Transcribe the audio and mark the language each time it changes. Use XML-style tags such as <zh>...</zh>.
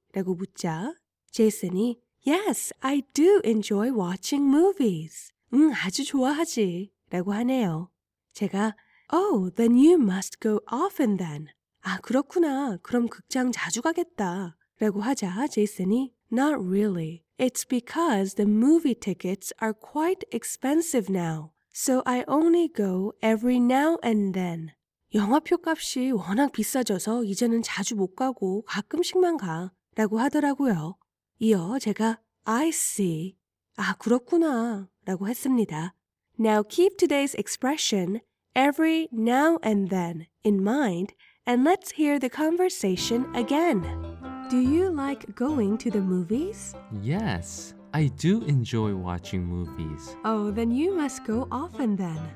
<ko>라고 묻자 제이슨이</ko> <en>Yes, I do enjoy watching movies.</en> <ko>응, 아주 좋아하지 라고 하네요. 제가</ko> <en>Oh, then you must go often then.</en> <ko>아, 그렇구나. 그럼 극장 자주 가겠다 라고 하자 제이슨이</ko> <en>Not really. It's because the movie tickets are quite expensive now. So I only go every now and then.</en> <ko>영화표 값이 워낙 비싸져서 이제는 자주 못 가고 가끔씩만 가 라고 하더라고요. 이어 제가</ko> <en>I see.</en> <ko>아, 그렇구나 라고 했습니다.</ko> <en>Now keep today's expression every now and then in mind and let's hear the conversation again. Do you like going to the movies? Yes. I do enjoy watching movies. Oh, then you must go often then.</en>